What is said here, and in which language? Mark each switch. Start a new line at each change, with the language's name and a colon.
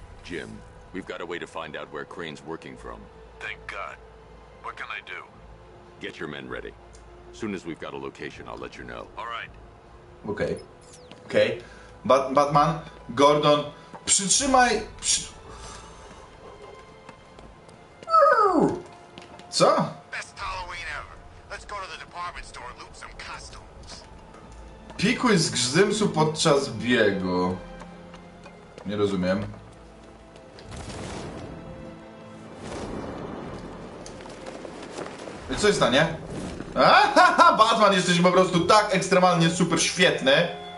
English: Jim, we've got a way to find out where Crane's working from. Thank God. What can I do? Get your men ready. Soon as we've got a location, I'll let you know. All right.
Polish: Okej. Batman, Gordon, przytrzymaj... Co?
English: Best Halloween ever. Let's go to the department store and loot some costumes.
Polish: Pikuj z grzymsu podczas biegu. Nie rozumiem. I co się stanie? Aha, Batman, jesteś po prostu tak ekstremalnie super świetny.